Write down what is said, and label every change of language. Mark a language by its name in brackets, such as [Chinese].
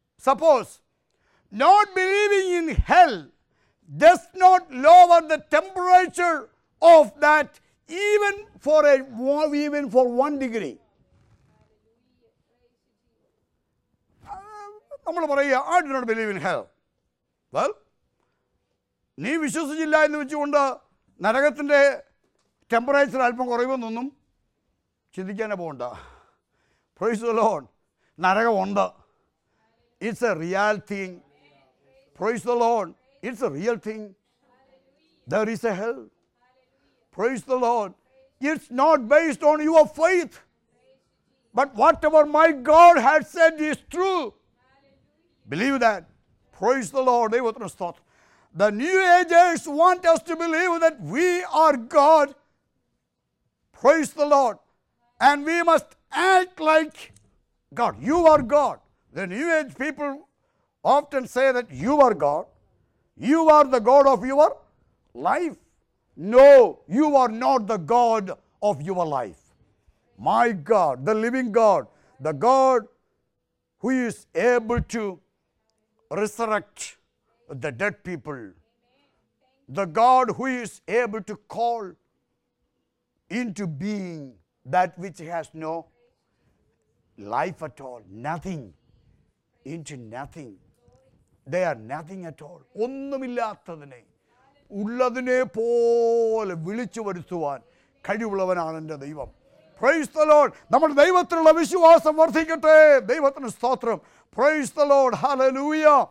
[English] Suppose, not believing in hell does not lower the temperature of that even for 1 degree. [Malayalam] Nammal parayya, [English] I do not believe in hell. [Malayalam] Well, nee vishwasichilla ennu vechukonda നരകത്തിൻ്റെ temperature അല്പം കുറയുമെന്നൊന്നും ചിന്തിക്കാനേ പോകണ്ട. [English] Praise the Lord. [Malayalam] നരകമുണ്ട്. [English] It's a reality thing. Praise the Lord. It's a real thing. There is a hell. Praise the Lord. It's not based on your faith. But whatever my God has said is true. Believe that. Praise the Lord. [Malayalam] ദൈവത്തിൻ്റെ സ്തോത്രം. [English] The New Agers want us to believe that we are God. Praise the Lord. And we must act like God. You are God. The New Age people often say that you are God. You are the God of your life. No, you are not the God of your life. My God, the living God, the God who is able to resurrect the dead people, the God who is able to call into being that which has no life at all, nothing, into nothing. They are nothing at all, [Malayalam] ഒന്നുമില്ലാത്തതിനെ ഉള്ളതിനെ പോലെ വിളിച്ചു വരുത്തുവാൻ കഴിവുള്ളവനാണ് എൻ്റെ ദൈവം. [English] Praise the Lord. [Malayalam] നമ്മുടെ ദൈവത്തിനുള്ള വിശ്വാസം വർദ്ധിക്കട്ടെ. ദൈവത്തിന് സ്തോത്രം. [English] Praise the Lord. [Malayalam] ഹല്ലേലൂയ.